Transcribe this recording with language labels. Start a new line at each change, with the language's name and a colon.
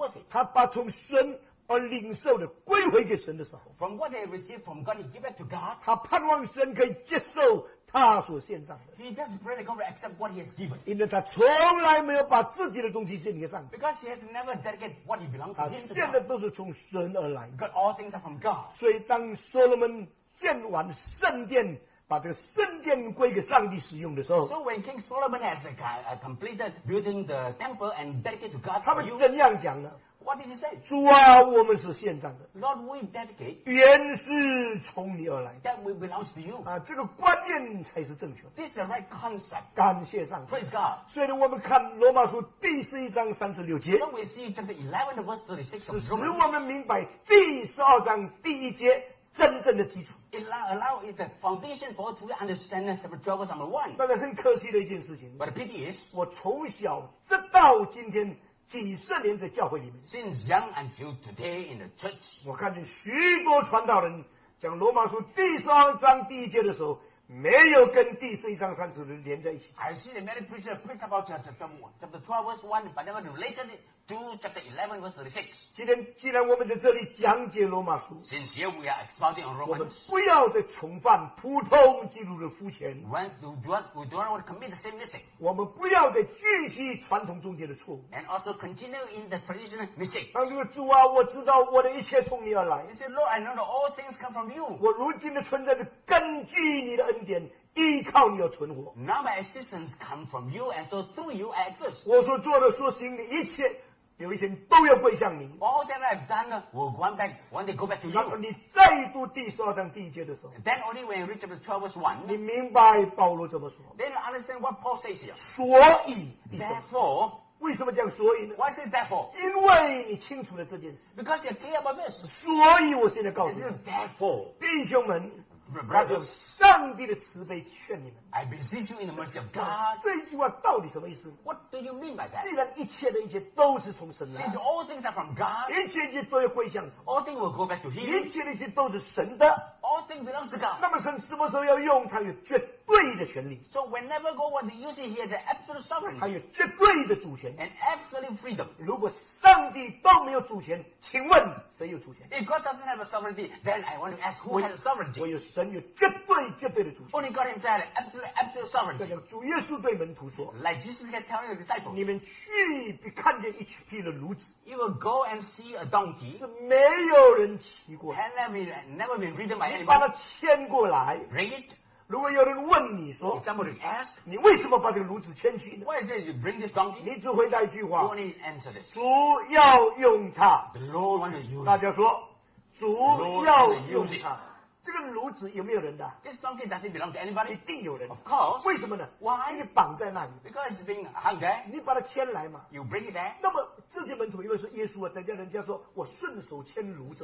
Chinese: 他把从神而领受的归回给神的时候
English: from what they receive from God, they give it to God.
Chinese: 他盼望神可以接受他所献上的。
English: He just pray that God will accept what he has given.
Chinese: 因为他从来没有把自己的东西献给上帝。
English: Because he has never dedicated what he belongs to him.
Chinese: 他献的都是从神而来。
English: Because all things are from God.
Chinese: 所以当Solomon建完圣殿把这个圣殿归给上帝使用的时候
English: So when King Solomon has completed building the temple and dedicated to God
Chinese: 他们怎样讲呢
English: What did he say?
Chinese: 主啊我们是献上的
English: Lord we dedicate
Chinese: 原是从你而来
English: That we belongs to you
Chinese: 啊，这个观念才是正确
English: This is the right concept
Chinese: 感谢上帝
English: Praise God
Chinese: 所以我们看罗马书第十一章三十六节
English: When we see chapter 11 verse 36
Chinese: 是使我们明白第十二章第一节真正的基础
English: allow is the foundation for to understand chapter 12 number 1
Chinese: 但是很可惜的一件事情
English: but the pity is
Chinese: 我从小直到今天几十年在教会里面
English: since young until today in the church
Chinese: 我看见许多传道人讲罗马书第十二章第一节的时候没有跟第十一章三十六连在一起
English: I see the many preachers preach about chapter 12 verse 1 but never related itTo chapter 11 verse 36.
Chinese: 今天既然我们在这里讲解罗马书
English: Since here we are expounding on Romans,
Chinese: 我们不要再重犯普通基督的肤浅
English: we don't want to commit the same mistake.
Chinese: 我们不要再继续传统宗教的错误
English: And also continue in the traditional mistake.
Chinese: 当这个主啊我知道我的一切从你而来
English: He said, Lord, I know that all things come from you.
Chinese: 我如今的存在是根据你的恩典依靠你而存活
English: Now my existence comes from you and so through you I exist.
Chinese: 我所做的所行的一切有一天都要归向你。
English: All that I've done, will go back, one day go back to you.
Chinese: 然后你再读第十二章第一节的时候。
English: Then only when you reach the 12th one.
Chinese: 你明白保罗怎么说。
English: Then you understand what Paul says here.
Chinese: 所以。
English: Therefore.
Chinese: 为什么这样所以呢
English: Why is it therefore?
Chinese: 因为你清楚了这件事。
English: Because you're clear about this.
Chinese: 所以我现在告诉你。
English: It's therefore.
Chinese: 弟兄们。
English: Brothers.
Chinese: 上帝的慈悲劝你们。
English: I beseech you in the mercy of God.
Chinese: 这一句话到底什么意思
English: ？What do you mean by that？
Chinese: 既然一切的一切都是从神来
English: ，Since all things are from God，
Chinese: 一切一切都要归向神
English: ，All things will go back to Him。
Chinese: 一切的一切都是神的
English: ，All things belongs to God。
Chinese: 那么神什么时候要用，他有绝对的权利。
English: So whenever God wants to use it, He has an absolute sovereignty。
Chinese: 他有绝对的主权
English: ，An absolute freedom。
Chinese: 如果上帝都没有主权，请问谁有主权
English: ？If God doesn't have a sovereignty, then I want to ask who has sovereignty？
Chinese: 我有神有绝对。绝对的主权。
English: Only God Himself, absolute sovereignty.
Chinese: 这个主耶稣对门徒说
English: ，Like Jesus can tell the disciples,
Chinese: 你们去，必看见一匹的驴子。
English: You will go and see a donkey.
Chinese: 是没有人骑过。
English: Had never been ridden by anyone.
Chinese: 你把它牵过来。
English: Bring it.
Chinese: 如果有人问你说
English: ，Somebody ask,
Chinese: 你为什么把这个驴子牵去呢
English: ？Why is it you bring this donkey?
Chinese: 你只回答一句话。
English: You only answer this.
Chinese: 主要用它。
English: The Lord wants to use it.
Chinese: 大家说，主要用它。这个炉子有没有人的
English: ？This donkey doesn't belong to anybody.
Chinese: 一定有人。
English: Of course.
Chinese: 为什么呢
English: ？Why?
Chinese: 因为绑在那里。
English: Because it's being hung there.
Chinese: 你把它牵来嘛。
English: You bring it there.
Chinese: 那么这些门徒因为是耶稣啊，等下人家说我顺手牵炉子。